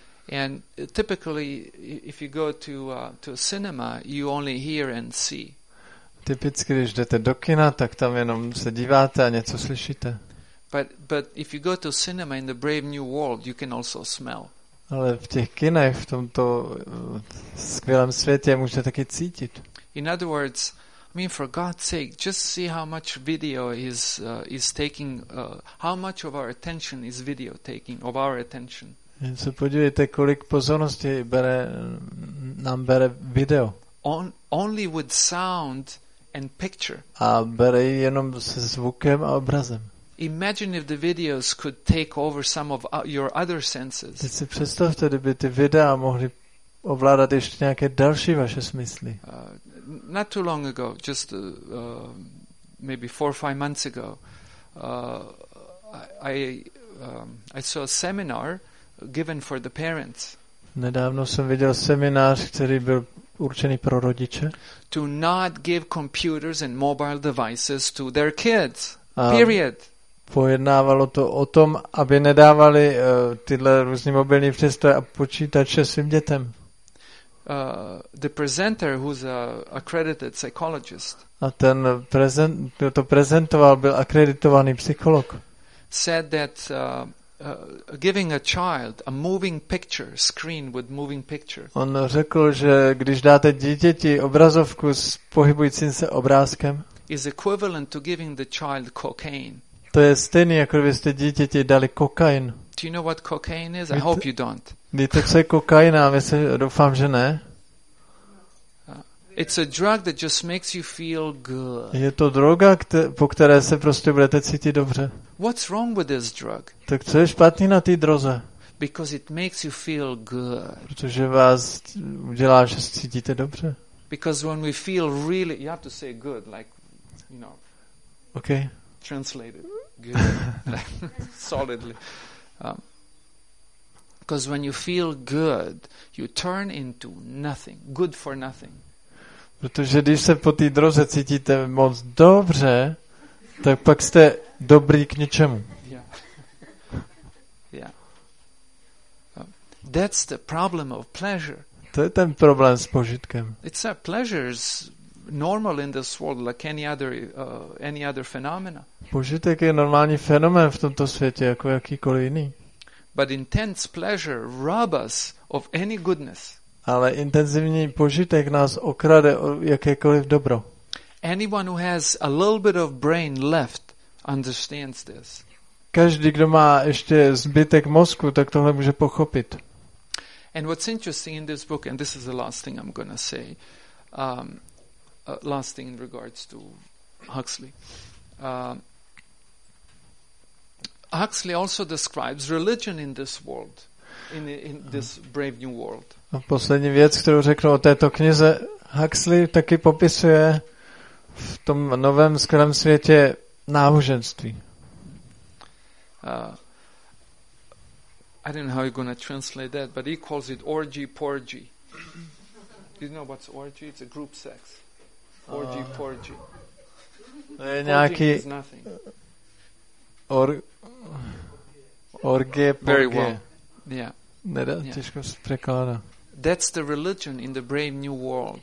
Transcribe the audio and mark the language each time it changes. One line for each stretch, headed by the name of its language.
English: And typically, if you go to a cinema, you only hear and see.
Czech: Typicky, když jdete do kina, tak tam jenom se díváte a něco slyšíte.
English: But if you go to cinema in the Brave New World, you can also smell.
Czech: Ale v těch kinech, v tomto skvělém světě, můžete taky cítit.
English: In other words, I mean, for God's sake, just see how much video is taking, how much of our attention is video taking, of our attention.
Czech: Jen se podívejte, kolik pozornosti bere video.
English: Only with sound and picture.
Czech: A bere jenom se zvukem a obrazem.
English: Imagine if the videos could take over some of your other senses.
Czech: Teď si představte, kdyby ty videa mohly ovládat ještě nějaké další vaše smysly.
English: Not too long ago, just maybe 4 or 5 months ago, I saw a seminar given for the parents.
Czech: Nedávno jsem viděl seminář, který byl určený pro rodiče.
English: To not give computers and mobile devices to their kids. Period.
Czech: Pojednávalo to o tom, aby nedávali tyhle různý mobilní přístroje a počítače svým dětem.
English: The presenter, who's an accredited psychologist,
Czech: a ten prezent, kdo to prezentoval, byl akreditovaný psycholog.
English: Said that giving a child a moving picture screen with moving picture.
Czech: On řekl, že když dáte dítěti obrazovku s pohybujícím se obrázkem,
English: is equivalent to giving the child cocaine.
Czech: To je stejné, jako byste dítěti dali kokain.
English: Do you know what cocaine is? I hope you don't.
Czech: Víte, co je kokaina? Myslím, doufám, že ne.
English: It's a drug that just makes you feel good.
Czech: Je to droga, po které se prostě budete cítit dobře.
English: What's wrong with this drug?
Czech: Tak co je špatný na té droze?
English: Because it makes you feel good.
Czech: Protože vás udělá, že se cítíte dobře.
English: Because when we feel really, you have to say good, like, you know. Okay. Translated. Good. Solidly. Because when you feel good, you turn into nothing. Good for nothing.
Czech: Protože když se po té droze cítíte moc dobře, tak pak jste dobrý k ničemu.
English: Yeah. Yeah. That's the problem of pleasure.
Czech: To je ten problém s požitkem.
English: It's a pleasure is normal in this world like any other phenomena.
Czech: Požitek je normální fenomén v tomto světě jako jakýkoliv jiný.
English: But intense pleasure robs us of any goodness.
Czech: Ale intenzivní požitek nás okrade o jakékoliv dobro.
English: Anyone who has a little bit of brain left understands this.
Czech: Každý, kdo má ještě zbytek mozku, tak tohle může pochopit.
English: And what's interesting in this book, and this is the last thing I'm going to say, last thing in regards to Huxley. Huxley also describes religion in this world, in this brave new world.
Czech: A poslední věc, kterou řeknu o této knize, Huxley taky popisuje v tom novém skvělém světě náboženství.
English: I don't know how you're going to translate that, but he calls it orgy porgy. Do you know what's orgy? It's a group sex. Orgy porgy.
Czech: To je nějaký orgie porgie.
English: Very well. Yeah.
Czech: Nedá, těžko se překládá.
English: That's the religion in the brave new world.